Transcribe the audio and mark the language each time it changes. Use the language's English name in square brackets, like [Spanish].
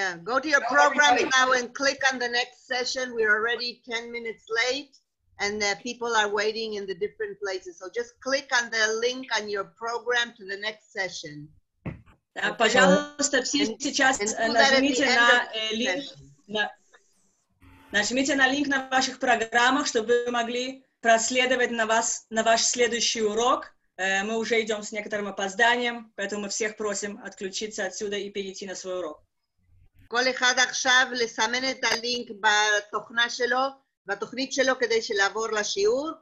[English] Go to your program now and click on the next session. We're already 10 minutes late and people are waiting in the different places. So just click on the link on your program to the next session. [Russian] Пожалуйста, все сейчас нажмите на link. Нажмите на линк на ваших программах, чтобы вы могли проследовать на вас на ваш следующий урок. Мы уже идем с некоторым опозданием, поэтому мы всех просим отключиться отсюда и перейти на свой урок. [Hebrew] כל אחד עכשיו לסמן את הלינק בתוכנה שלו, בתוכנית שלו כדי שלעבור לשיעור.